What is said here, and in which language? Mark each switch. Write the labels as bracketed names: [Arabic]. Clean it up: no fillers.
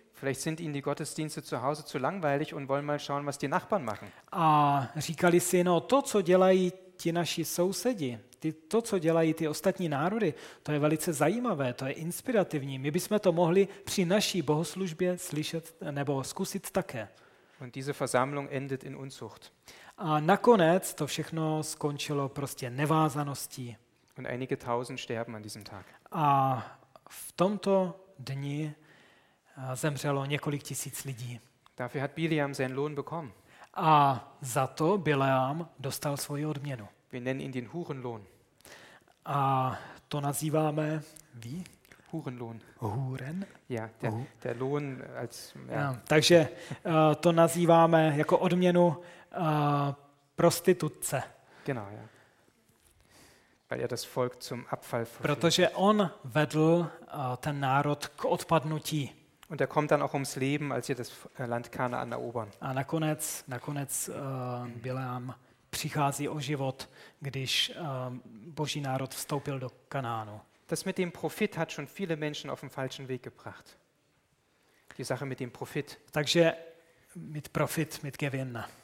[German] Vielleicht sind ihnen die Gottesdienste zu Hause zu langweilig und wollen mal schauen, was die Nachbarn machen. [Czech] A říkali si, no to, co dělají ti naši sousedi, to, co dělají ty ostatní národy, to je velice zajímavé, to je inspirativní. My bychom to mohli při naší bohoslužbě slyšet nebo zkusit také. [German] Und diese Versammlung endet in Unzucht. [Czech] A nakonec to všechno skončilo prostě nevázaností. [German] Und einige tausend sterben an diesem Tag. [Czech] A v tomto dni zemřelo několik tisíc lidí. [German] Dafür hat Bileam seinen Lohn bekommen. [Czech] A za to Bileam dostal svoji odměnu. [German] Wir nennen ihn den Hurenlohn. [Czech] A to nazýváme wie? [German] Hurenlohn. Huren? Ja, der Lohn als ja. [Czech] Ja, takže to nazýváme jako odměnu prostitutce. [German] Genau, ja. Weil er das Volk zum Abfall [Czech] führte. Protože on vedl ten národ k odpadnutí. [German] Und er kommt dann auch ums Leben, als sie das Land Kanaan erobern. [Czech] A nakonec Bileam přichází o život, když Boží národ vstoupil do Kanánu. [German] Das mit dem Profit hat schon viele Menschen auf den falschen Weg gebracht. Die Sache mit dem Profit. Takže mit Profit, mit Gewinn.